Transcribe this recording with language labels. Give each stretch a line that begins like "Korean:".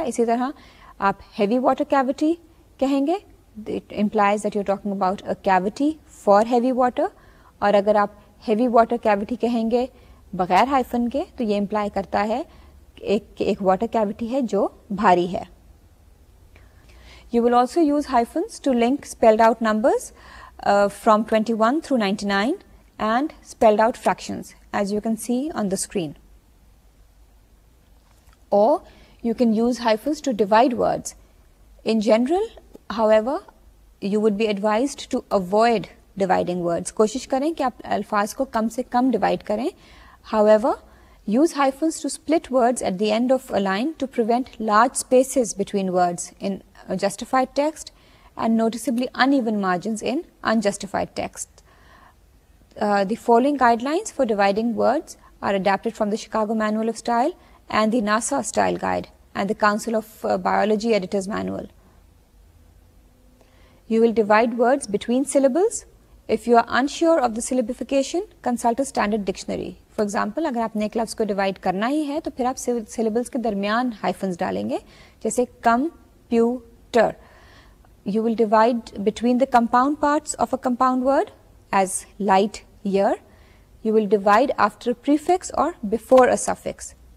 Urdu: اسی طرح آپ ہیوی واٹر کیویٹی کہیں گے,
English: it implies that you talking about a cavity for heavy water,
Urdu: اور اگر آپ ہیوی واٹر کیویٹی کہیں گے بغیر ہائفن کے تو یہ امپلائی کرتا ہے ایک واٹر کیویٹی ہے جو بھاری ہے.
English: You will also use hyphens to link spelled out numbers from 21 through 99 and spelled out fractions as you can see on the screen. Or you can use hyphens to divide words. In general, however, you would be advised to avoid dividing words.
Urdu: Koshish karein ki aap alfaz ko kam se kam divide karein.
English: However, use hyphens to split words at the end of a line to prevent large spaces between words in justified text and noticeably uneven margins in unjustified text. The following guidelines for dividing words are adapted from the Chicago Manual of Style and the NASA Style Guide and the Council of Biology Editor's Manual. You will divide words between syllables. If you are unsure of the syllabification, consult a standard dictionary. For example,
Urdu: اگر آپ نے ایک لفظ کو divide کرنا ہی ہے تو پھر آپ سلیبلس کے درمیان ہائفنز ڈالیں گے, جیسے computer.
English: You will divide between the compound parts of a compound word as light air. You will divide after prefix اور before a suffix.